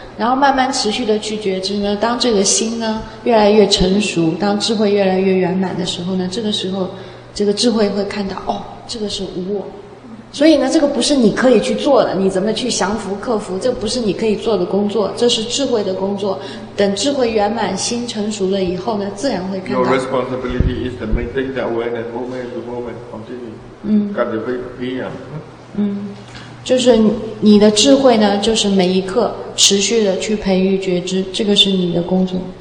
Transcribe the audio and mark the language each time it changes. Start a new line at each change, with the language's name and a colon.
Chinese: 然后慢慢持续的去觉知呢，当这个心呢越来越成熟，当智慧越来越圆满的时候呢，这个时候，这个智慧会看到，哦，这个是无我。所以呢，这个不是你可以去做的，你怎么去降服克服，这不是你可以做的工作，这是智慧的工作。等智慧圆满，心成熟了以后呢，自然会看到。
English: Your responsibility is to maintain the awareness moment to moment, continue. Cultivate being.
Chinese: 就是你的智慧呢，就是每一刻持续的去培育觉知，这个是你的工作。